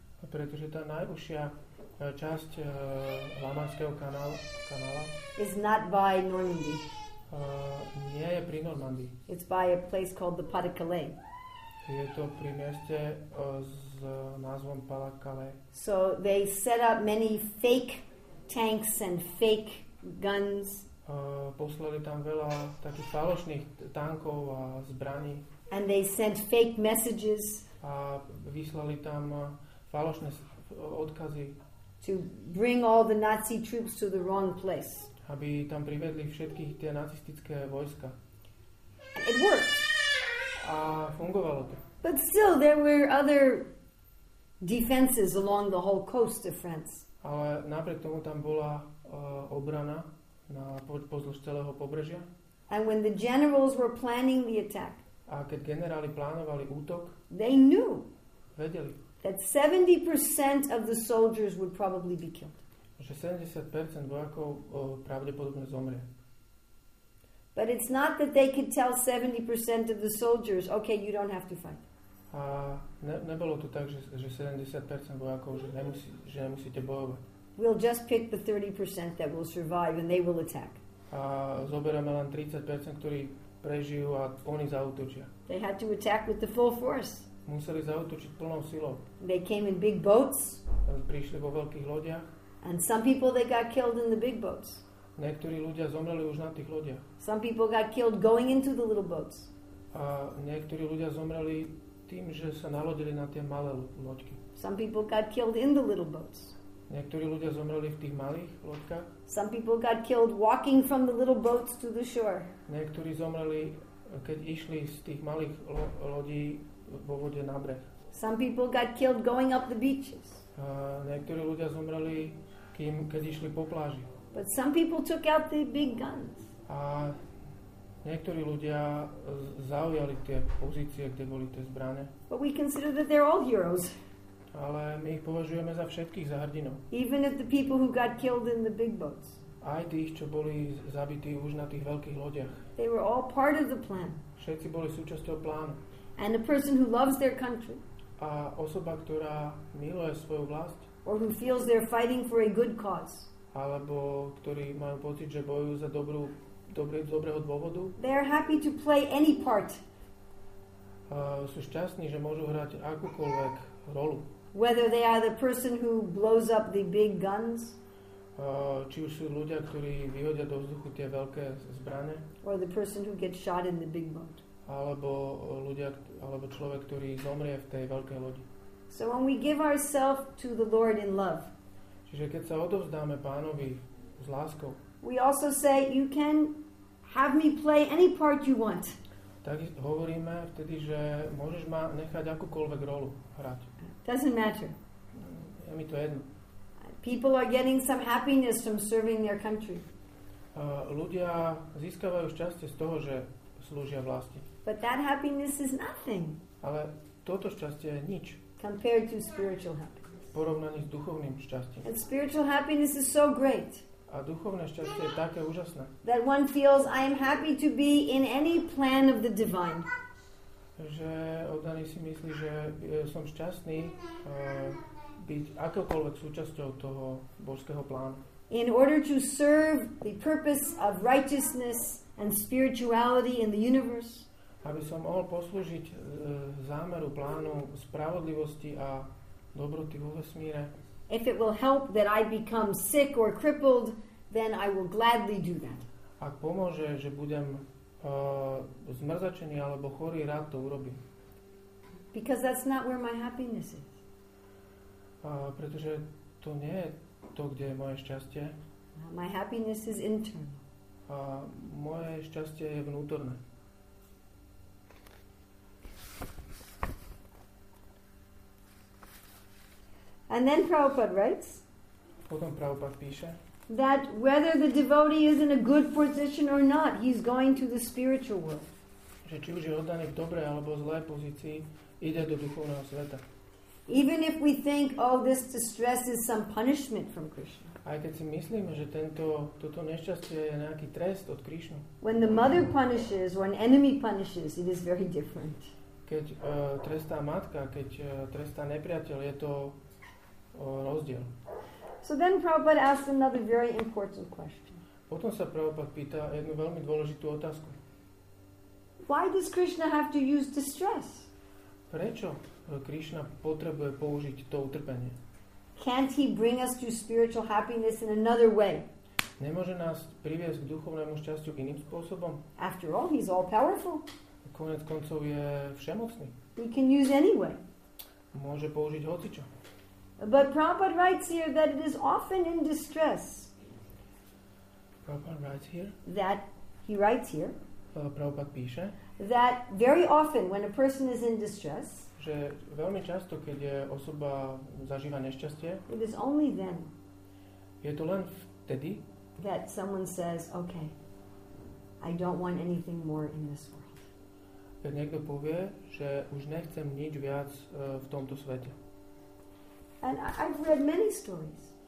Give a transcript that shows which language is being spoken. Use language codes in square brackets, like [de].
[sk] Pretože tá najúžšia časť Lamanského kanála [en] is not by Normandy. [sk] Nie je pri Normandii. [en] It's by a place called the Pas de Calais. [sk] Je to pri mieste s názvom Pas de Calais. [en] So they set up many fake tanks and fake guns. [sk] Poslali tam veľa takých falošných tankov a zbraní. [en] And they sent fake messages. [sk] A vyslali tam falošné odkazy. [en] To bring all the Nazi troops to the wrong place. [sk] Aby tam privedli všetkých tie nacistické vojska. [en] It worked. [sk] A fungovalo to. [en] But still there were other defenses along the whole coast of France. [sk] Ale napriek tomu tam bola obrana na pozdĺž celého pobrežia. [en] And when the generals were planning the attack, [sk] a keď generáli plánovali útok, [en] they knew, [sk] vedeli, [en] that 70% of the soldiers would probably be killed. [sk] Že 70% vojakov pravdepodobne zomrie. [en] But it's not that they could tell 70% of the soldiers, okay, you don't have to fight. [sk] A nebolo to tak, že 70% vojakov, že nemusíte bojovať. [en] We'll just pick the 30% that will survive and they will attack. [sk] A zoberieme len 30%, ktorí prežijú a oni zaútočia. [en] They had to attack with the full force. [sk] Museli zaútočiť plnou silou. [en] They came in big boats. [sk] Prišli vo veľkých lodiach. [en] And some people they got killed in the big boats. [sk] Niektorí ľudia zomreli už na tých lodiach. [en] Some people got killed going into the little boats. [sk] A niektorí ľudia zomreli tým, že sa nalodili na tie malé loďky. [en] Some people got killed in the little boats. [sk] Niektorí ľudia zomreli v tých malých lodkách. [en] Some people got killed walking from the little boats to the shore. [sk] Niektorí zomreli, keď išli z tých malých lodí vo vode na breh. [en] Some people got killed going up the beaches. [sk] Niektorí ľudia zomreli, keď išli po pláži. [en] But some people took out the big guns. [sk] A niektorí ľudia zaujali tie pozície, kde boli tie zbrane. [en] But we consider that they're all heroes. [sk] Ale my ich považujeme za všetkých za hrdinov. [en] Even if the people who got killed in the big boats. [sk] Aj tých, čo boli zabití už na tých veľkých lodiach. [en] They were all part of the plan. [sk] Všetci boli súčasťou plánu. [en] And a person who loves their country. [sk] A osoba, ktorá miluje svoju vlast. [en] Or who feels they're fighting for a good cause. [sk] Alebo ktorí majú pocit, že bojujú za dobrého dôvodu. [en] They are happy to play any part. [sk] Sú šťastní, že môžu hrať akúkoľvek rolu. [en] Whether they are the person who blows up the big guns. [sk] Či už sú ľudia, ktorí vyhodia do vzduchu tie veľké zbrane. [en] Or the person who gets shot in the big boat. [sk] Alebo človek, ktorý zomrie v tej veľkej lodi. [en] So when we give ourselves to the Lord in love. [sk] Čiže keď sa odovzdáme Pánovi s láskou. [en] We also say you can have me play any part you want. [sk] Tak hovoríme vtedy, že môžeš ma nechať akúkoľvek rolu hrať. [en] Doesn't matter. [sk] Je mi to jedno. [en] People are getting some happiness from serving their country. [sk] Ľudia získavajú šťastie z toho, že slúžia vlasti. [en] But that happiness is nothing. [sk] Ale toto šťastie je nič. [en] Compared to spiritual happiness. [sk] V porovnaní s duchovným šťastím. [en] And spiritual happiness is so great. [sk] A duchovné šťastie je také úžasné. [en] That one feels I am happy to be in any plan of the divine. [sk] Že oddaný si myslí, že som šťastný byť akokoľvek súčasťou toho božského plánu. [en] In order to serve the purpose of righteousness and spirituality in the universe. [sk] Aby som mohol poslúžiť zámeru plánu spravodlivosti a dobroty vo vesmíre. [en] If it will help that I become sick or crippled, then I will gladly do that. [sk] Ak pomôže, že budem zmrzačený alebo chorý, rád to urobím. [en] Because that's not where my happiness is. [sk] Pretože to nie je to, kde je moje šťastie. [en] My happiness is internal. [sk] Moje šťastie je vnútorné. [en] And then Prabhupada writes. [sk] Potom Prabhupada píše. [en] That whether the devotee is in a good position or not, he's going to the spiritual world. [sk] Že či už je oddaný v dobrej alebo zlej pozícii, ide do duchovného sveta. [en] Even if we think, oh, this distress is some punishment from Krishna. [sk] Aj keď si myslíme, že toto nešťastie je nejaký trest od Krishna. [en] When the mother punishes or an enemy punishes, it is very different. [sk] Keď trestá matka, keď trestá nepriateľ, je to rozdiel. [en] So then Prabhupada asked another very important question. [sk] Potom sa Prabhupada pýta jednu veľmi dôležitú otázku. [en] Why does Krishna have to use distress? [sk] Prečo Krishna potrebuje použiť to utrpenie? [en] Can't he bring us to spiritual happiness in another way? [sk] Nemôže nás priviesť k duchovnému šťastiu iným spôsobom? [en] After all, he's all powerful. [sk] Konec koncov je všemocný. [en] He can use any way. [sk] Môže použiť hocičo. [en] But Prabhupada writes here that it is often in distress. Prabhupada writes here. That he writes here. [sk] Prabhupada píše. [en] That very often when a person is in distress. [sk] Že veľmi často, keď je osoba zažíva nešťastie. [en] It is only then. [sk] Je to len vtedy. [en] That someone says, okay, I don't want anything more in this world. [sk] Keď niekto povie, že už nechcem nič viac v tomto svete. [en] And I've read many stories.